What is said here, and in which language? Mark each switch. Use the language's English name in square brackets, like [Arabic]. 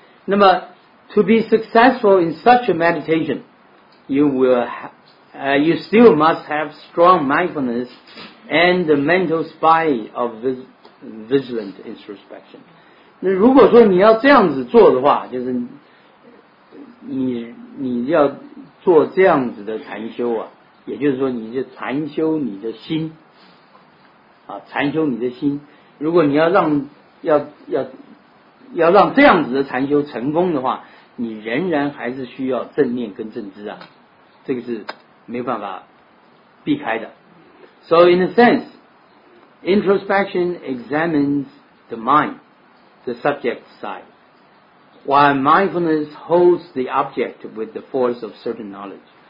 [English] 那么To be successful in such a meditation, you still must have strong mindfulness and the mental spy of vigilant introspection. [Chinese] 那如果说你要这样子做的话，就是你要做这样子的禅修啊，也就是说你就禅修你的心啊，禅修你的心。如果你要让这样子的禅修成功的话，你仍然还是需要正念跟正知啊，这个是没办法避开的。 [English] So in a sense introspection examines the mind, the subject side, while mindfulness holds the object with the force of certain knowledge.